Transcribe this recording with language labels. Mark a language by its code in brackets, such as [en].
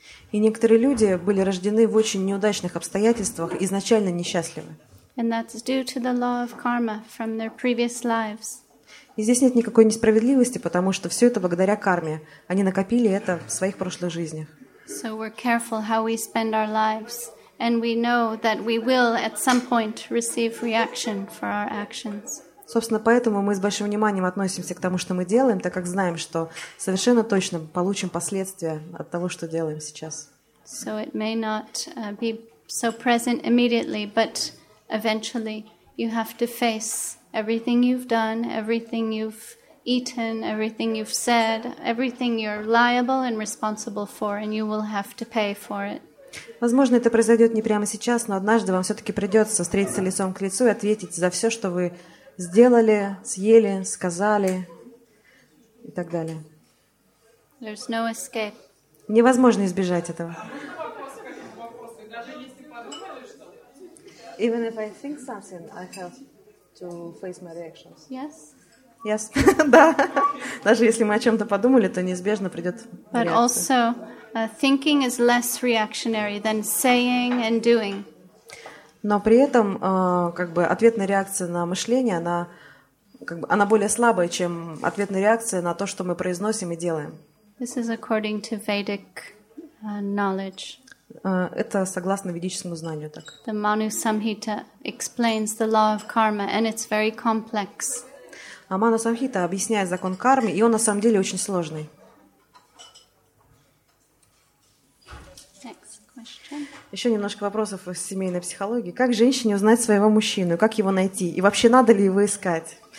[ru] И некоторые люди были рождены в очень неудачных обстоятельствах, изначально несчастливы. [en] And that's due to the law of karma from their previous lives. [ru] И здесь нет никакой несправедливости, потому что все это благодаря карме. Они накопили это в своих прошлых жизнях. [en] So we're careful how we spend our lives, and we know that we will at some point receive reaction for our actions. [ru] Собственно, поэтому мы с большим вниманием относимся к тому, что мы делаем, так как знаем, что совершенно точно получим последствия от того, что делаем сейчас. [en] So it may not be so present immediately, but eventually you have to face everything you've done, everything you've eaten, everything you've said, everything you're liable and responsible for, and you will have to pay for it. [ru] Возможно, это произойдет не прямо сейчас, но однажды вам все-таки придется встретиться лицом к лицу и ответить за все, что вы сделали, съели, сказали и так далее. [en] There's no escape. [ru] Невозможно избежать этого. [en] Even if I think something, I have to face my reactions. Yes. Yes. [ru] Да. Даже если мы о чем-то подумали, то неизбежно придет реакция. [en] But also, thinking is less reactionary than saying and doing. [ru] Но при этом, как бы ответная реакция на мышление, она, как бы, она более слабая, чем ответная реакция на то, что мы произносим и делаем. [en] This is according to Vedic knowledge. [ru] Это согласно ведическому знанию так. [en] The Manu Samhita explains the law of karma, and it's very complex. [ru] А Ману Самхита объясняет закон кармы, и он на самом деле очень сложный. [en] Next question. [ru] Еще немножко вопросов из семейной психологии. Как женщине узнать своего мужчину? Как его найти? И вообще надо ли его искать?